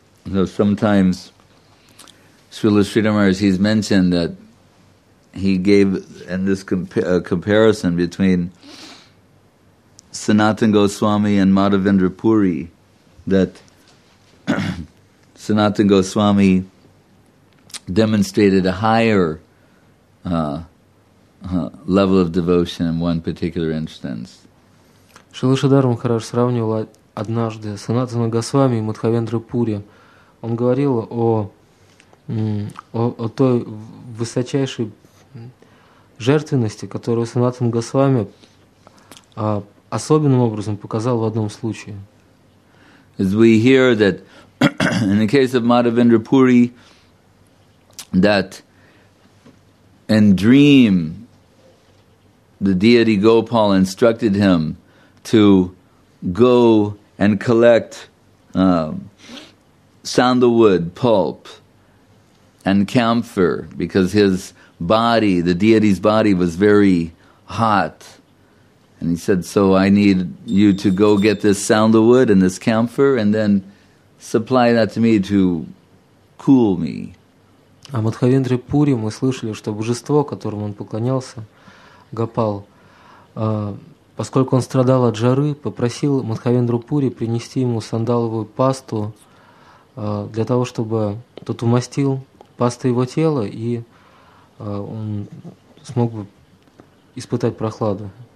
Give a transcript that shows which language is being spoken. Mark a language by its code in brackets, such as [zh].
[en] So sometimes Srila Sridhar, he's mentioned that he gave in this comparison between Sanatana Goswami and Madhavendra Puri, that Sanatana Goswami demonstrated a higher level of devotion in one particular instance. [ru] Шрила Шридхар Махарадж сравнивал однажды Санатана Госвами и Мадхавендра Пури. Он говорил о той высочайшей жертвенности, которую Санатан Госвами особенным образом показал в одном случае. [en] As we hear that in the case of Madhavendra Puri, that in dream the deity Gopal instructed him to go and collect sandalwood pulp and camphor, because his body, the deity's body, was very hot. And he said, so I need you to go get this sandalwood and this camphor and then supply that to me to cool me. [ru] А Мадхавендре Пури мы слышали, что божество, которому он поклонялся, Гопал, поскольку он страдал от жары, попросил Мадхавендру Пури принести ему сандаловую пасту для того, чтобы тот умастил пастой его тело, и он смог бы испытать прохладу.